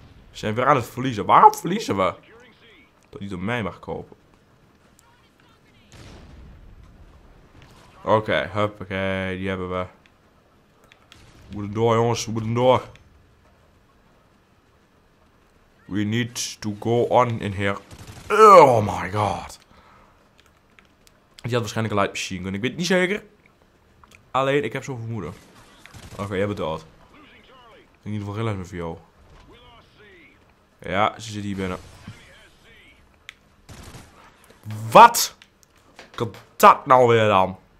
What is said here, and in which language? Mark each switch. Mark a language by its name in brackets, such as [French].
[Dutch] We zijn weer aan het verliezen. Waarom verliezen we? Dat hij door mij mag kopen. Oké, okay, hoppakee, die hebben we. We moeten door, jongens, we moeten door. [English] We need to go on in here. Oh my god. [Dutch] Die had waarschijnlijk een light machine gun. Ik weet het niet zeker. Alleen, ik heb zo'n vermoeden. Oké, jij bent dood. In ieder geval geen les meer voor jou. Ja, ze zit hier binnen. Wat? Kan dat nou weer dan?